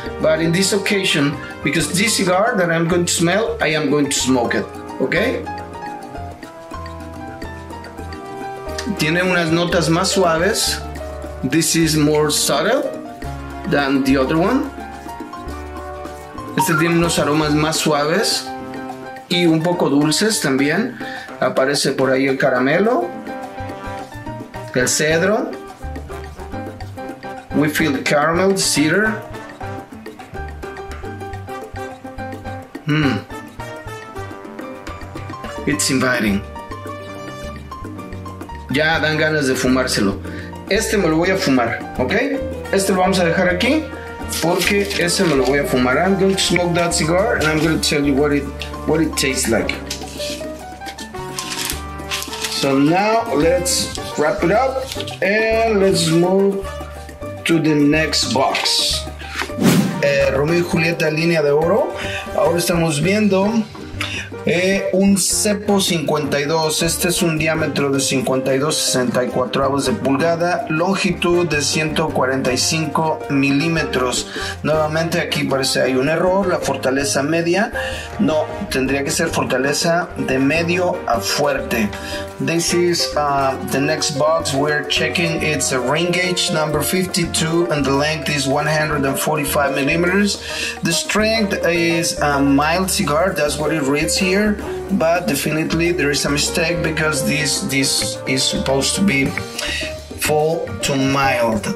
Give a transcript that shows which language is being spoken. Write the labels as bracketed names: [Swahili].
[English] But in this occasion, because this cigar that I'm going to smell, I am going to smoke it, okay? [Spanish] Tiene unas notas más suaves. [English] This is more subtle than the other one. [Spanish] Este tiene unos aromas más suaves y un poco dulces también. Aparece por ahí el caramelo, el cedro. [English] We feel the caramel, the cedar. It's inviting. [Spanish] Ya dan ganas de fumárselo. Este me lo voy a fumar, ¿ok? Este lo vamos a dejar aquí porque ese me lo voy a fumar. [English] I'm going to smoke that cigar and I'm going to tell you what it tastes like. So now let's wrap it up and let's move to the next box. [Spanish] Romeo y Julieta, línea de oro. Ahora estamos viendo un cepo 52. Este es un diámetro de 52/64 de pulgada, longitud de 145 milímetros. Nuevamente aquí parece hay un error. La fortaleza media, no, tendría que ser fortaleza de medio a fuerte. [English] This is the next box we're checking. It's a ring gauge number 52 and the length is 145 millimeters. The strength is a mild cigar, that's what it reads here. But definitely there is a mistake because this is supposed to be full to mild.